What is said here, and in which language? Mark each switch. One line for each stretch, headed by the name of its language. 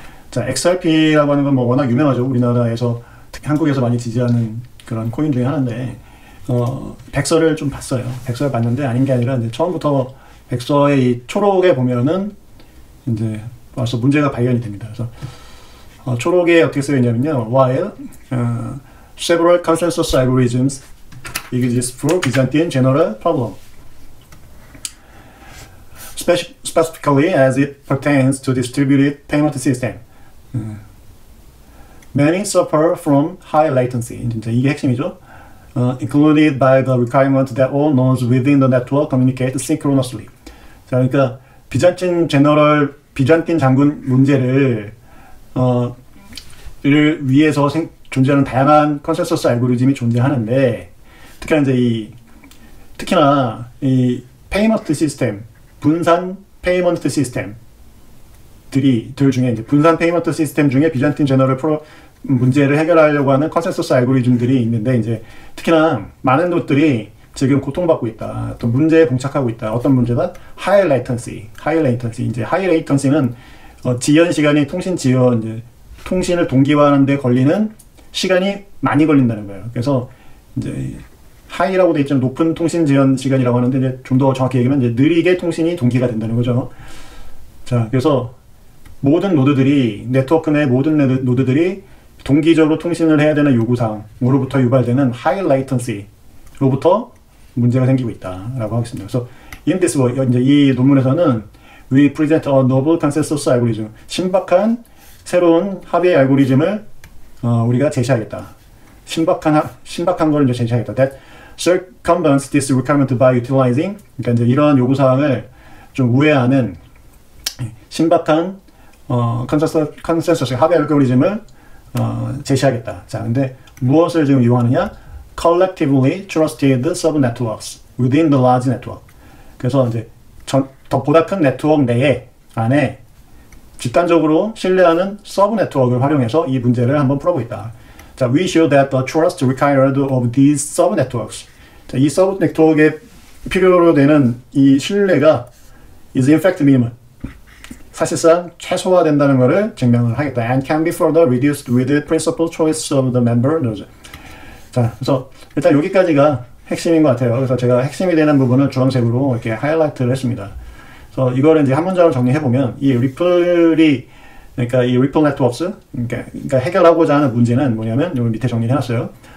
Korean: 자, XRP라고 하는 건 뭐 워낙 유명하죠. 우리나라에서 특히 한국에서 많이 지지하는 그런 코인 중에 하나인데 백서를 좀 봤어요. 백서를 봤는데 아닌 게 아니라 이제 처음부터 백서의 이 초록에 보면은 이제 벌써 문제가 발견이 됩니다. 그래서 초록에 어떻게 쓰여 있냐면요.
English: While several consensus algorithms exist for Byzantine general problem. Specifically as it pertains to distributed payment system. Many suffer from high latency.
Korean: 이제 이게 핵심이죠.
English: Included by the requirement that all nodes within the network communicate synchronously.
Korean: 자, 그러니까 비잔틴 장군 문제를 위해서 존재하는 다양한 컨센서스 알고리즘이 존재하는데 특히나 이 페이먼트 시스템 분산 페이먼트 시스템들이 둘 중에 이제 분산 페이먼트 시스템 중에 비잔틴 제너럴 문제를 해결하려고 하는 컨센서스 알고리즘들이 있는데 이제 특히나 많은 것들이 지금 고통받고 있다. 또 문제에 봉착하고 있다. 어떤 문제가?
English: High latency.
Korean: 이제 high latency는 지연 시간이 통신을 동기화하는데 걸리는 시간이 많이 걸린다는 거예요. 그래서 이제 high라고 돼 있지만 높은 통신 지연 시간이라고 하는데 이제 좀 더 정확히 얘기하면 이제 느리게 통신이 동기가 된다는 거죠. 자, 그래서 모든 노드들이 네트워크 내 모든 노드들이 동기적으로 통신을 해야 되는 요구 사항으로부터 유발되는 high latency로부터 문제가 생기고 있다라고 하고 있습니다. 그래서 이 논문에서는
English: We present a novel consensus algorithm.
Korean: 신박한 새로운 합의 알고리즘을 우리가 제시하겠다. 신박한 걸 이제 제시하겠다.
English: That circumvents this requirement by utilizing
Korean: 그러니까 이제 이러한 요구사항을 좀 우회하는 신박한 consensus 합의 알고리즘을 제시하겠다. 자, 근데 무엇을 지금 이용하느냐?
English: Collectively trusted subnetworks within the large network.
Korean: 그래서 이제 더 보다 큰 네트워크 안에 집단적으로 신뢰하는 서브 네트워크를 활용해서 이 문제를 한번 풀어보겠다.
English: 자, we show that the trust required of these subnetworks.
Korean: 자, 이 subnetwork에 필요로 되는 이 신뢰가
English: is in fact minimal.
Korean: 사실상 최소화된다는 것을 증명을 하겠다.
English: And can be further reduced with the principal choice of the member nodes.
Korean: 자, 그래서 일단 여기까지가 핵심인 것 같아요. 그래서 제가 핵심이 되는 부분을 주황색으로 이렇게 하이라이트를 했습니다. 그래서 이걸 이제 한 문장으로 정리해보면, 이 리플이, 그러니까 이 리플 네트워크스, 그러니까 해결하고자 하는 문제는 뭐냐면, 여기 밑에 정리를 해놨어요.